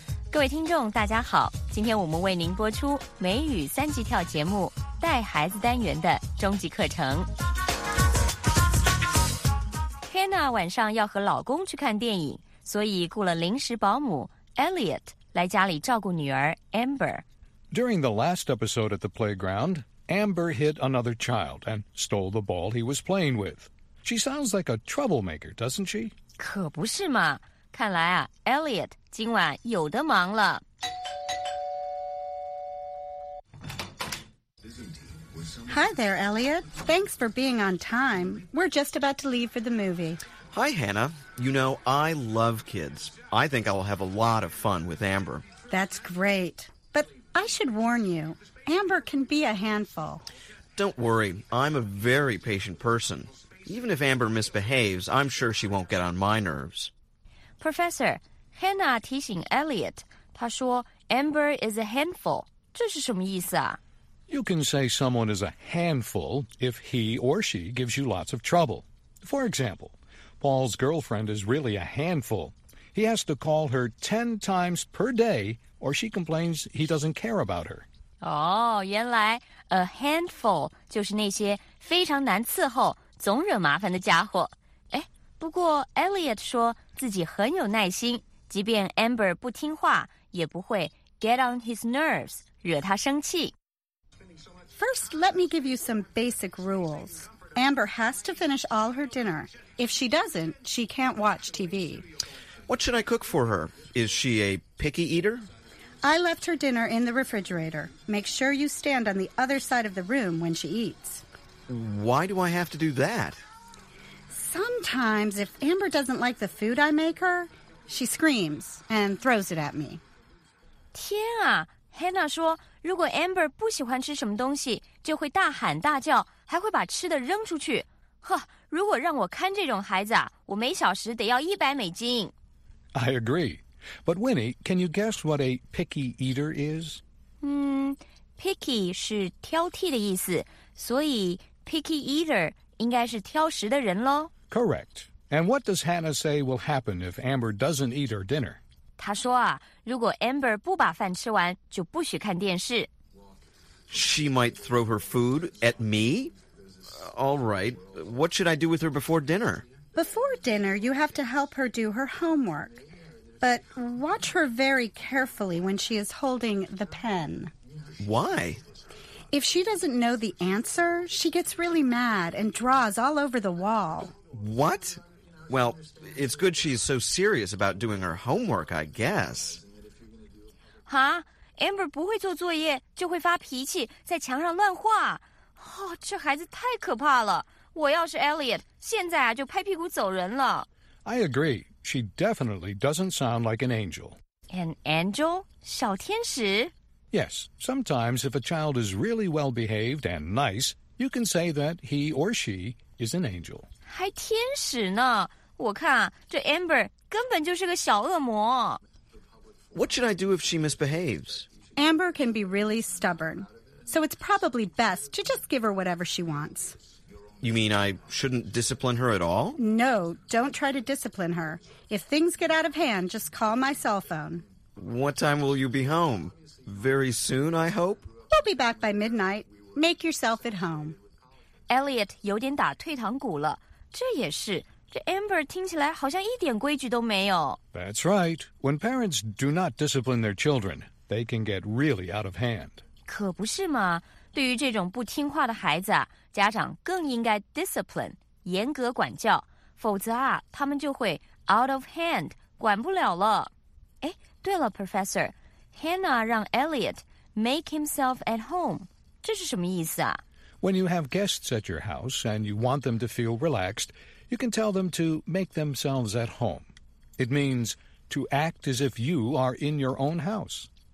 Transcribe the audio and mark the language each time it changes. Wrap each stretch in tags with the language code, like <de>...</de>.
<zh>各位听众大家好，今天我们为您播出梅雨三级跳节目带孩子单元的终极课程。 Hannah 晚上要和老公去看电影，所以雇了临时保姆 Elliot 来家里照顾女儿 Amber。</zh> <en>During the last episode at the playground, Amber hit another child and stole the ball he was playing with. She sounds like a troublemaker, doesn't she?</en> <zh>可不是嘛，看来啊 ，Elliot 今晚有的忙了。</zh> <en>Hi there, Elliot. Thanks for being on time. We're just about to leave for the movie. Hi, Hannah. You know, I love kids. I think I will have a lot of fun with Amber. That's great. But I should warn you, Amber can be a handful. Don't worry. I'm a very patient person. Even if Amber misbehaves, I'm sure she won't get on my nerves. Professor, Hannah</en> <zh>提醒</zh> <en>Elliot,</en> <zh>她说</zh> <en>Amber is a handful.</en> <zh>这是什么意思啊？</zh> <en>You can say someone is a handful if he or she gives you lots of trouble. For example, Paul's girlfriend is really a handful. He has to call her 10 times per day or she complains he doesn't care about her.</en> <zh>原来 a handful 就是那些非常难伺候、总惹麻烦的家伙。不过 Elliot 说自己很有耐心，即便 Amber 不听话，也不会</zh> <en>get on his nerves,</en> <zh>惹他生气。</zh> <en>First, let me give you some basic rules. Amber has to finish all her dinner. If she doesn't, she can't watch TV. What should I cook for her? Is she a picky eater? I left her dinner in the refrigerator. Make sure you stand on the other side of the room when she eats. Why do I have to do that? Sometimes, if Amber doesn't like the food I make her, she screams and throws it at me.</en> <zh>天啊！ Hannah 说，如果 Amber 不喜欢吃什么东西，就会大喊大叫，还会把吃的扔出去。呵，如果让我看这种孩子啊，我每小时得要$100。</zh> <en>I agree. But Winnie, can you guess what a picky eater is?</en> <zh>Picky 是挑剔的意思，所以 picky eater 应该是挑食的人咯。</zh> <en>Correct. And what does Hannah say will happen if Amber doesn't eat her dinner?</en> <zh>他说啊，如果 Amber 不把饭吃完，就不许看电视。</zh> <en>She might throw her food at me? All right, what should I do with her before dinner? Before dinner, you have to help her do her homework. But watch her very carefully when she is holding the pen. Why? If she doesn't know the answer, she gets really mad and draws all over the wall. What? Well, it's good she's so serious about doing her homework, I guess. Huh?</en> <zh>Amber 不会做作业，就会发脾气，在墙上乱画。哦，这孩子太可怕了。我要是 Elliot, 现在啊，就拍屁股走人了。</zh> <en>I agree. She definitely doesn't sound like an angel. An angel?</en> <zh>小天使?</zh> <en>Yes. Sometimes if a child is really well-behaved and nice, you can say that he or she is an angel.</en> <zh>还天使呢？我看这 Amber 根本就是个小恶魔。</zh> <en>What should I do if she misbehaves? Amber can be really stubborn, so it's probably best to just give her whatever she wants. You mean I shouldn't discipline her at all? No, don't try to discipline her. If things get out of hand, just call my cell phone. What time will you be home? Very soon, I hope? I'll be back by midnight. Make yourself at home.</en> <zh>Elliot 有点打退堂鼓了。这也是，这 Amber 听起来好像一点规矩都没有。</zh> <en>That's right. When parents do not discipline their children, they can get really out of hand.</en> <zh>可不是嘛，对于这种不听话的孩子啊，家长更应该 discipline, 严格管教，否则啊，他们就会 out of hand, 管不了了。对了 ,Professor, Hannah 让 Elliot</zh> <en>make himself at home,</en> <zh>这是什么意思啊？</zh> <en>When you have guests at your house and you want them to feel relaxed, you can tell them to make themselves at home. It means to act as if you are in your own house.</en>